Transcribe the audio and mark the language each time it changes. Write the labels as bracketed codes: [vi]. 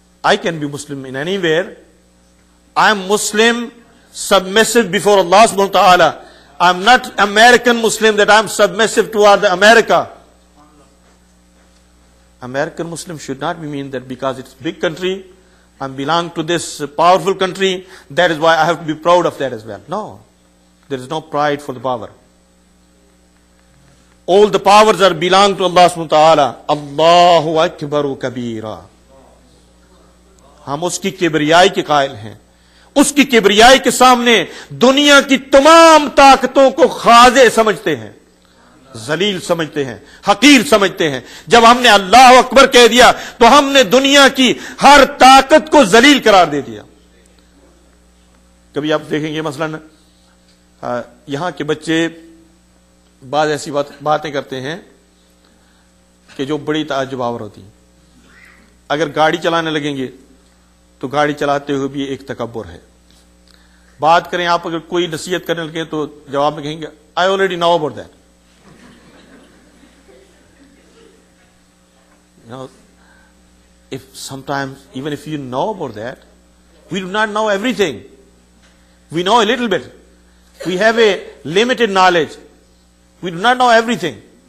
[en] I can be Muslim in anywhere, I am Muslim submissive before Allah سبحانہ وتعالی، I am not American Muslim that I am submissive toward America. American Muslim should not be mean that because it's big country I belong to this powerful country, that is why I have to be proud of that as well. No, there is no pride for the power. All the powers are belong to Allah subhanahu wa ta'ala. Allahu akbaru kabira. [ur] ہم اس کی کبریائی کے قائل ہیں، اس کی کبریائی کے سامنے دنیا کی تمام طاقتوں کو خاضع سمجھتے ہیں، ذلیل سمجھتے ہیں، حقیر سمجھتے ہیں۔ جب ہم نے اللہ اکبر کہہ دیا تو ہم نے دنیا کی ہر طاقت کو ذلیل قرار دے دیا۔ کبھی آپ دیکھیں گے مثلا یہاں کے بچے بعض ایسی باتیں کرتے ہیں کہ جو بڑی تعجب آور ہوتی ہیں۔ اگر گاڑی چلانے لگیں گے تو گاڑی چلاتے ہوئے بھی ایک تکبر ہے، بات کریں آپ اگر کوئی نصیحت کرنے لگے تو جواب میں کہیں گے [en] I already know about that, you know, if sometimes even if you know about that, we do not know everything. We know a little bit, we have a limited knowledge, we do not know everything.